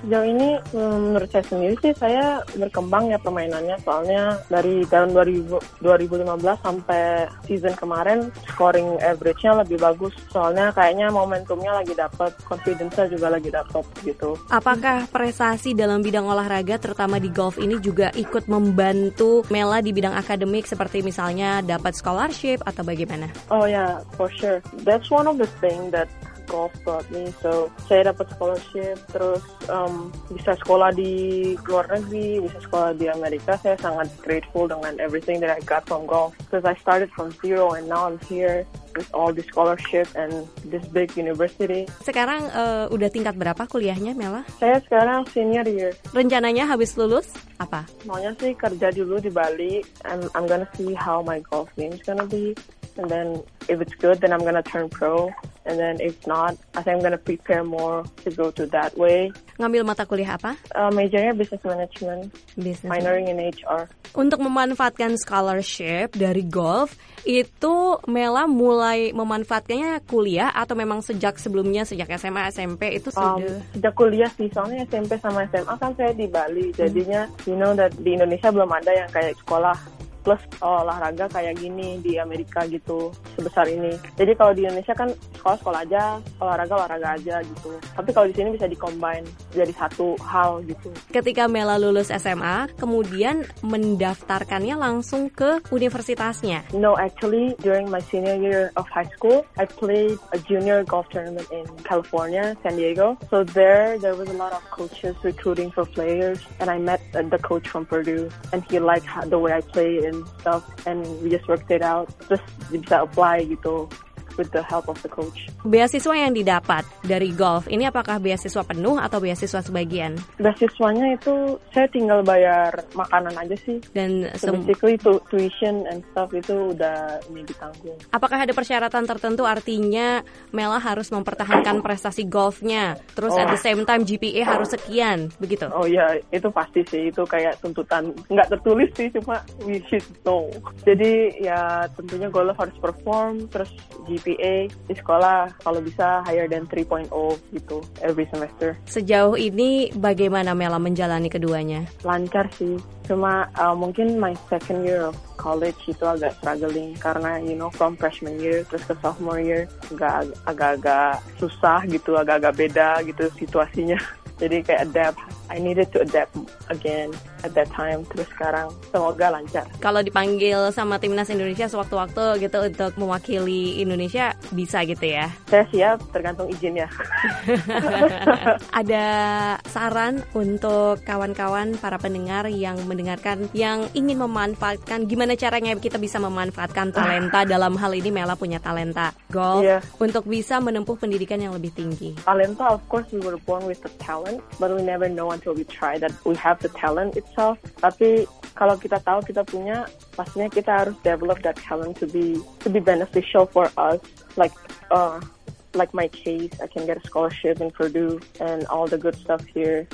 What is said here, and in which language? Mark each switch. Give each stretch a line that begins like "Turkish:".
Indonesian: Sejauh ini menurut saya sendiri sih, saya berkembang ya permainannya, soalnya dari tahun 2015 sampai season kemarin scoring average-nya lebih bagus, soalnya kayaknya momentumnya lagi dapet, confidence-nya juga lagi dapet gitu. Apakah prestasi dalam bidang olahraga terutama di golf ini juga ikut membantu Mela di bidang akademik seperti misalnya dapat scholarship atau bagaimana?
English: Oh ya, yeah, for sure, that's one of the thing that golf brought me.
Indonesian: So saya dapat scholarship, terus bisa sekolah di luar negeri, bisa sekolah di Amerika. Saya sangat
English: grateful
Indonesian: dengan
English: everything that I got from golf, because I started from zero and now I'm here with all the scholarship and this big university.
Indonesian: Sekarang udah tingkat berapa kuliahnya Mela? Saya sekarang senior year. Rencananya habis lulus apa? Maunya sih kerja dulu di Bali
English: and I'm gonna see how my golf game is gonna be, and then if it's good then I'm gonna turn pro. And then if not, I think I'm gonna prepare more to go to that way.
Indonesian: Ngambil mata kuliah apa? Majornya business management.
English: Business. Minoring in HR.
Indonesian: Untuk memanfaatkan scholarship dari golf, itu Mela mulai memanfaatkannya kuliah atau memang sejak sebelumnya, sejak SMA, SMP itu sudah? Sejak kuliah sih, soalnya SMP sama SMA kan saya di Bali. Jadinya,
English: you know that
Indonesian: di Indonesia belum ada yang kayak sekolah. plus olahraga kayak gini di Amerika gitu, sebesar ini. Jadi kalau di Indonesia kan sekolah-sekolah aja, olahraga-olahraga aja gitu. Tapi kalau di sini bisa dikombin jadi satu hal gitu. Ketika Mela lulus SMA, kemudian mendaftarkannya langsung ke universitasnya?
English: No, actually during my senior year of high school, I played a junior golf tournament in California, San Diego. So there was a lot of coaches recruiting for players, and I met the coach from Purdue, and he liked the way I play and stuff, and we just worked it out. Just bisa apply gitu with the help of the coach.
Indonesian: Beasiswa yang didapat dari golf ini apakah beasiswa penuh atau beasiswa sebagian? Beasiswanya itu saya tinggal bayar makanan aja sih. Dan
English: basically tuition and stuff
Indonesian: itu udah ini ditanggung. Apakah ada persyaratan tertentu, artinya Mela harus mempertahankan prestasi golfnya, terus
English: at the same time
Indonesian: GPA harus sekian, begitu? Oh iya, itu pasti sih, itu kayak tuntutan, nggak tertulis sih, cuma
English: we should know.
Indonesian: Jadi ya tentunya golf harus perform, terus GPA di sekolah kalau bisa
English: higher than 3.0
Indonesian: gitu
English: every semester.
Indonesian: Sejauh ini bagaimana Mela menjalani keduanya? Lancar sih, cuma mungkin
English: my second year of college
Indonesian: itu agak struggling karena
English: you know from freshman year
Indonesian: terus ke
English: sophomore year
Indonesian: agak-agak susah gitu, agak-agak beda gitu situasinya. Jadi kayak
English: adapt, I needed to adapt again at that time,
Indonesian: terus sekarang semoga lancar. Kalau dipanggil sama Timnas Indonesia sewaktu-waktu gitu untuk mewakili Indonesia, bisa gitu ya? Saya siap, tergantung izinnya. Ada saran untuk kawan-kawan para pendengar yang mendengarkan, yang ingin memanfaatkan, gimana caranya kita bisa memanfaatkan talenta, dalam hal ini Mela punya talenta golf, yeah, untuk bisa menempuh pendidikan yang lebih tinggi?
English: Talenta, of course, we were born with the talent, but we never know until we try that we have the talent itself.
Indonesian: Tapi kalau kita tahu kita punya, pastinya kita harus
English: develop that talent to be beneficial for us, like my case, I can get a scholarship in Purdue and all the good stuff here.